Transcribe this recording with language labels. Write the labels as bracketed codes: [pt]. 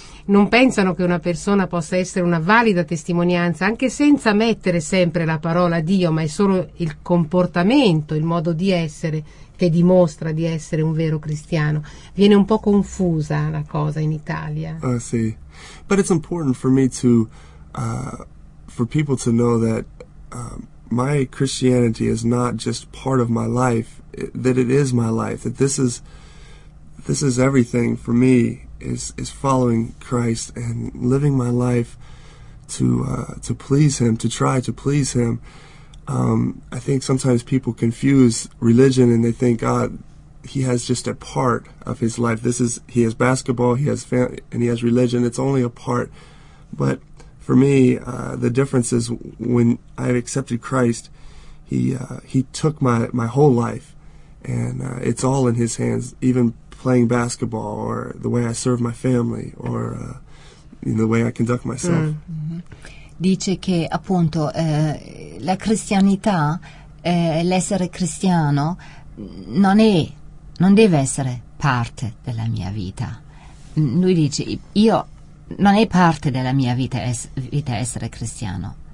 [it] Non pensano che una persona possa essere una valida testimonianza anche senza mettere sempre la parola Dio, ma è solo il comportamento, il modo di essere che dimostra di essere un vero cristiano. Viene un po' confusa la cosa in Italia. Sì. [en] But it's important for me to for people to know that my Christianity is not just part of my life, that it is my life, that this is everything for me. Is following Christ and living my life to please Him, to try to please Him. I think sometimes people confuse religion and they think, God, He has just a part of His life. This is, He has basketball, He has family, and He has religion. It's only a part. But for me, the difference is when I accepted Christ, He took my whole life, and it's all in His hands, even playing basketball, or the way I serve my family, or the way I conduct myself. Mm-hmm. [it] Dice che appunto la cristianità, l'essere cristiano, non deve essere parte della mia vita. Lui dice: io non è parte della mia vita essere cristiano.